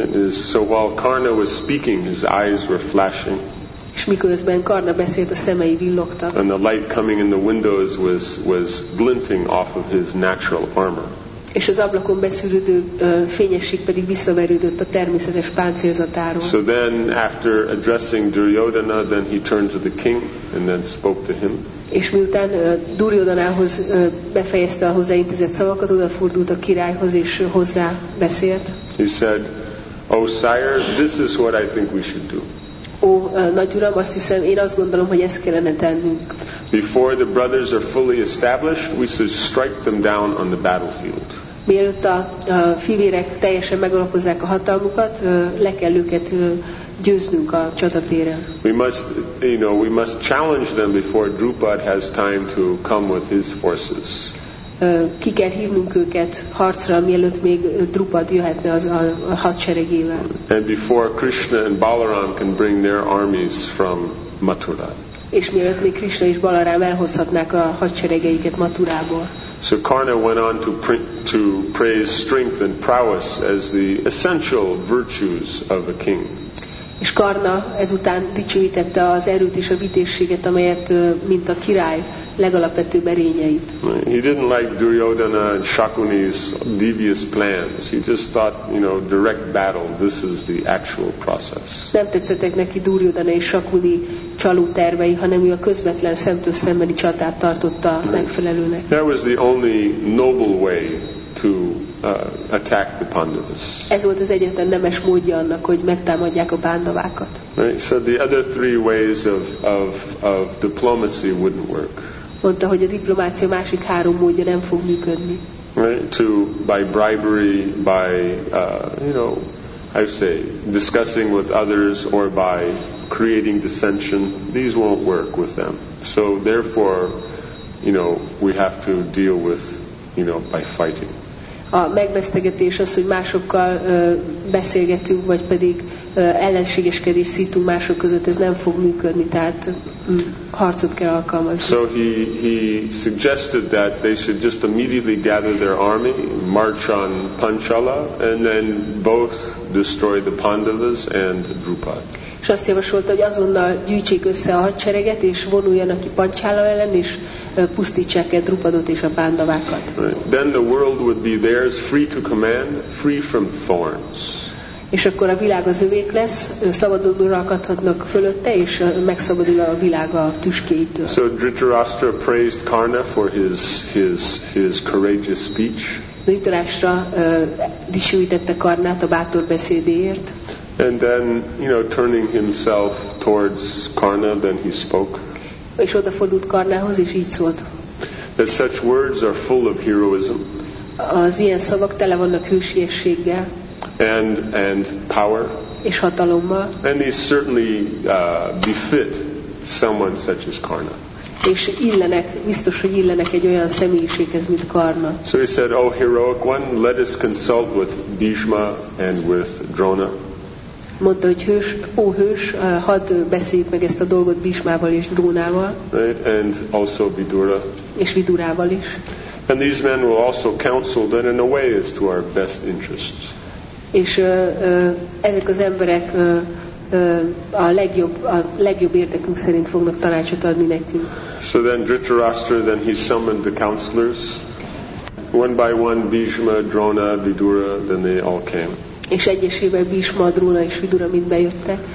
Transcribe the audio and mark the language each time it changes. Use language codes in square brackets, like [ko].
[en] So while Karna was speaking, his eyes were flashing. [hu] És miközben Karna beszélt, a szemei villogtak. [en] And the light coming in the windows was glinting off of his natural armor. [hu] És az ablakon beszűrődő fényesség pedig visszaverődött a természetes páncélzatáról. [en] So then, after addressing Duryodhana, then he turned to the king and then spoke to him. [hu] És miután Duryodhanához befejezte a hozzáintézett szavakat, odafordult a királyhoz és hozzá beszélt. [en] He said, "Oh sire, this is what I think we should do." [hu] Ó, nagy uram, azt hiszem, én azt gondolom, hogy ezt kellene tennünk. [en] Before the brothers are fully established, we should strike them down on the battlefield. [hu] Mielőtt a fivérek teljesen megalapozzák a hatalmukat, le kell őket győznünk a csatatéren. [en] We must challenge them before Drupad has time to come with his forces. [hu] Ki kell hívnunk őket harcra, mielőtt még Drupad jöhetne az a hadseregével. [en] And before Krishna and Balaram can bring their armies from Mathura. [hu] És mielőtt még Krishna és Balarám elhozhatnák a hadseregeiket Mathurából. [en] So Karna went on to praise strength and prowess as the essential virtues of a king. [hu] És Karna ezután dicsőítette az erőt és a vitézséget, amelyet mint a király legalapvetőbb erényeit. [en] He didn't like Duryodhana and Shakuni's devious plans. He just thought, you know, direct battle, this is the actual process. [hu] Nem tetszettek neki Duryodhana és Shakuni csaló tervei, hanem ő a közvetlen szemtől szembeni csatát tartotta megfelelőnek. [en] That was the only noble way to attack the Pandavas. [hu] Ez volt az egyetlen nemes módja annak, hogy megtámadják a Pándavákat. [en] Right, so the other three ways of diplomacy wouldn't work. [hu] Mondta, hogy a diplomácia másik három módja nem fog működni. [en] Right, to by bribery, by you know, I say discussing with others or by creating dissension, these won't work with them. So therefore, you know, we have to deal with, you know, by fighting. [hu] A megvesztegetés az, hogy másokkal beszélgetünk, vagy pedig ellenségeskedés szítunk mások között, ez nem fog működni, tehát harcot kell alkalmazni. [en] So he suggested that they should just immediately gather their army, march on Panchala, and then both destroy the Pandavas and Drupad. [hu] És azt javasolta, hogy azonnal gyűjtsék össze a hadsereget, és vonuljanak ki Panchala ellen, és pusztítsák el Drupadot és a Pándavákat. [en] Right. Then the world would be theirs, free to command, free from thorns. [hu] És akkor a világ az övék lesz, szabadon uralkodhatnak fölötte, és megszabadul a világ a tüskéitől. [en] So Dhritarashtra praised Karna for his courageous speech. [hu] Dhritarashtra dicsőítette Karnát a bátor beszédéért. [en] And then, you know, turning himself towards Karna, then he spoke. [hu] És odafordult Karnához, és így szólt. [en] That such words are full of heroism. [hu] Az ilyen szavak tele vannak hősiességgel. [en] And power. [hu] És hatalommal. [en] And these certainly befit someone such as Karna. [hu] És illenek, biztos, hogy illenek egy olyan személyiséghez, mint Karna. [en] So he said, O heroic one, let us consult with Bhishma and with Drona. [hu] Mondta, hogy hős, ó hős, hadd beszéljük meg ezt a dolgot Bhishmával és Drónával. [en] Right, and also Vidura. [hu] És Vidurával is. [en] And these men will also counsel that in a way is to our best interests. [hu] És ezek az emberek a legjobb érdekünk szerint fognak tanácsot adni nekünk. [en] So then Dhritarashtra, then he summoned the counselors. One by one, Bhishma, Drona, Vidura, then they all came. [hu] És egyesével Bhishma, Drona és Vidura mind bejöttek.